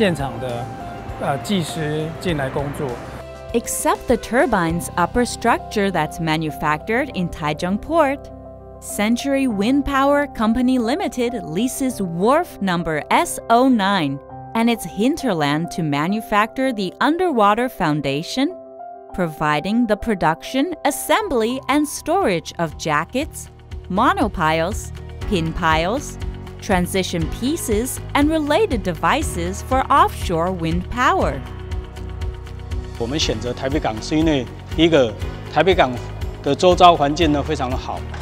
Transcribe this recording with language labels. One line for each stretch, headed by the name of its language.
Chinese: 公司从去年11月开始就派了大概将近10位的台湾的员工到丹麦去做在地的工作的一个学习。我们开始就找更多的现场的技师进来工作。
English: Except the turbines upper structure that's manufactured in Taichung Port, Century Wind Power Company Limited leases wharf number S09 and its hinterland to manufacture the underwater foundation, providing the production, assembly, and storage of jackets, monopiles, pin piles, transition pieces, and related devices for offshore wind power.
Chinese: 我们选择台北港是因为第一个，台北港的周遭环境呢非常的好。